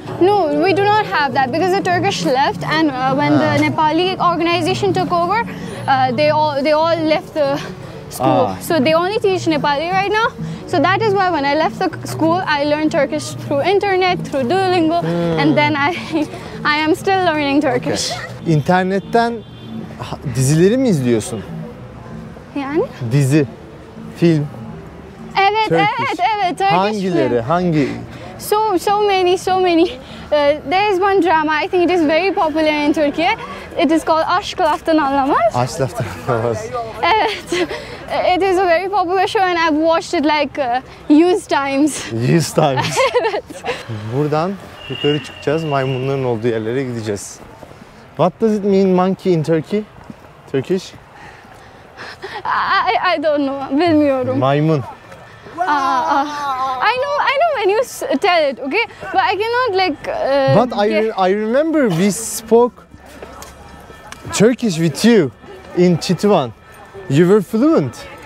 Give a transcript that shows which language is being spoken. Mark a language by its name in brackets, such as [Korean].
[English] No, we do not have that because the Turkish left and when the Nepali organization took over, they all left the school. So they only teach Nepali right now. So that is why when I left the school, I learned Turkish through internet, through Duolingo, and then I am still learning Turkish. Okay. [Turkish] İnternetten dizileri mi izliyorsun? Yani? Dizi, film. Evet, Turkish. Hangileri? Hangi? [English] So many. There is one drama. I think it is very popular in Turkey. It is called Aşklaftan Anlamaz. [Turkish] Aşklaftan Anlamaz. Evet. [English] It is a very popular show and I've watched it like yüz times. Yüz times. [Turkish] Evet. Buradan yukarı çıkacağız. Maymunların olduğu yerlere gideceğiz. [English] What does it mean monkey in Turkey? Turkish? I don't know. [Turkish] Bilmiyorum. Maymun. [English] I know when you tell it, okay? But I cannot like But I remember we spoke Turkish with you in Çitvan. You were fluent.